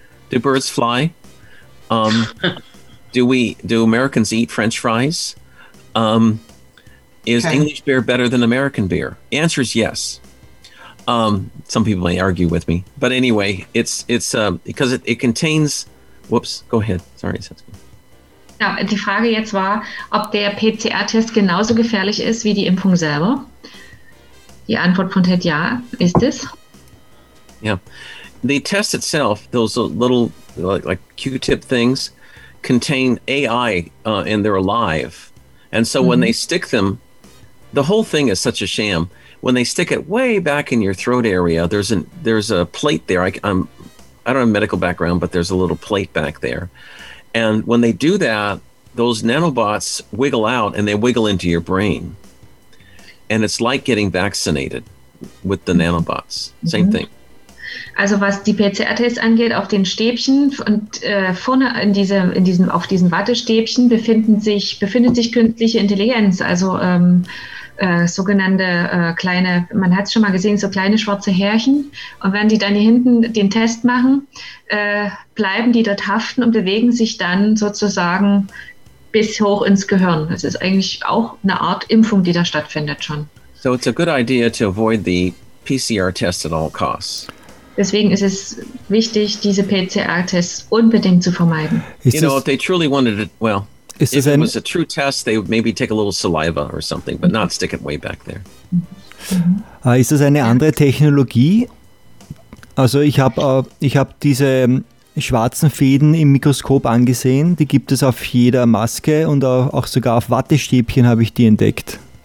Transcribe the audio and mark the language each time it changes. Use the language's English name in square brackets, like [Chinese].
[English] Do birds fly? do Americans eat French fries? English beer better than American beer? Answer is yes. Some people may argue with me, but anyway, it's because it contains. Whoops. Go ahead. Sorry. [German] Ja, die Frage jetzt war, ob der PCR-Test genauso gefährlich ist wie die Impfung selber. Die Antwort von Ted: Ja, ist es. Ja. Yeah. [English] The test itself, those little like Q-tip things, contain AI and they're alive. And so when they stick them, the whole thing is such a sham. When they stick it way back in your throat area, there's a plate there. I don't have a medical background, but there's a little plate back there. And when they do that, those nanobots wiggle out and they wiggle into your brain. And it's like getting vaccinated with the nanobots. Mm-hmm. Same thing. [German] Also was die PCR-Tests angeht, auf den Stäbchen und vorne auf diesen Wattestäbchen befindet sich künstliche Intelligenz, also kleine, man hat es schon mal gesehen, so kleine schwarze Härchen. Und wenn die dann hier hinten den Test machen, bleiben die dort haften und bewegen sich dann sozusagen bis hoch ins Gehirn. Das ist eigentlich auch eine Art Impfung, die da stattfindet schon. [English] So it's a good idea to avoid the PCR-test at all costs. [German] Deswegen ist es wichtig, diese PCR-Tests unbedingt zu vermeiden. [English] If they truly wanted it, well, if it was a true test, they would maybe take a little saliva or something, but not stick it way back there. [German] Mm-hmm. Ist das eine andere Technologie? Also ich hab diese schwarzen Fäden im Mikroskop angesehen. Die gibt es auf jeder Maske und auch sogar auf Wattestäbchen habe ich die entdeckt.